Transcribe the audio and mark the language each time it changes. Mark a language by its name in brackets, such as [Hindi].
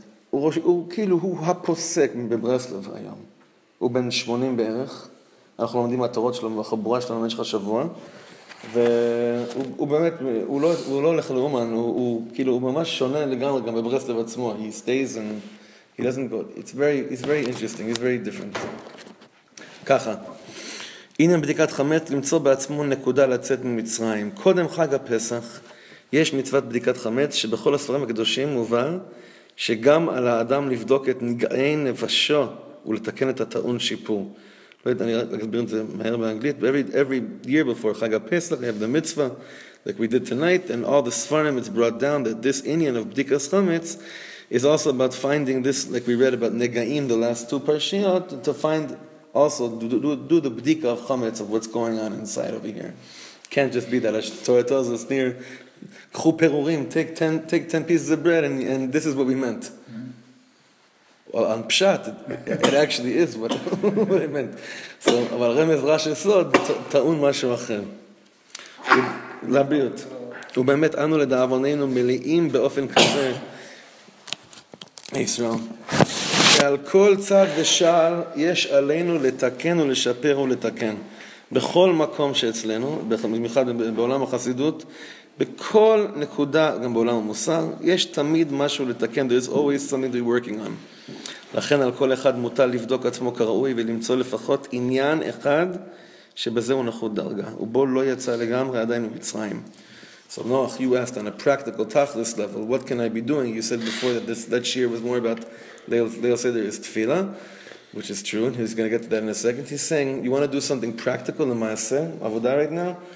[Hebrew] הוא כאילו, הוא הפוסק בברסלב היום. הוא בן 80 בערך. אנחנו לומדים מהתורות שלו, והחבורה שלנו במשך השבוע. והוא באמת, הוא לא הולך לאומן, הוא כאילו, הוא ממש שונה לגמרי גם בברסלב עצמו. [English] He stays and he doesn't go. It's very interesting, it's very different. [Hebrew] ככה. הנה בדיקת חמץ, למצוא בעצמו נקודה לצאת ממצרים. קודם חג הפסח, יש מצוות בדיקת חמץ שבכל הספרים הקדושים מובא שגם על האדם לבדוק את נגעי נפשו ולתקן את הטעון שיפור. אני רק אסביר את זה מהר באנגלית. [English] Every year before חג הפסח, we have the mitzvah, like we did tonight, and all the svarim, it's brought down that this inyan of בדיקת חמץ is also about finding this, like we read about נגעים, the last two parshiyot, to find also, do the בדיקה of חמץ, of what's going on inside over here. Can't just be that. Torah tells us near, [Hebrew] קחו פירורים, [English] take ten pieces of bread, and this is what we meant. Well, on Pshat, it actually is what I meant. [Hebrew] So, אבל רמז רע של סוד, טעון משהו אחר. לבריאות. ובאמת, אנו לדעבוננו מלאים באופן כזה. ישראל. שעל כל צד ושעל, יש עלינו לתקן ולשפר ולתקן. בכל מקום שאצלנו, במיוחד בעולם החסידות, בכל נקודה, גם בעולם המוסר, יש תמיד משהו לתקן. [English] There is always something we're working on. [Hebrew] לכן על כל אחד מוטל לבדוק עצמו כראוי ולמצוא לפחות עניין אחד שבזה הוא נחות דרגה. ובו לא יצא לגמרי עדיין ממצרים. [English] So Noach, you asked on a practical, tachlis level, what can I be doing? You said before that that shiur was more about Leil Seder is tefillah. which is true, and he's going to get to that in a second. He's saying, you want to do something practical in Maaseh, Avodah right now?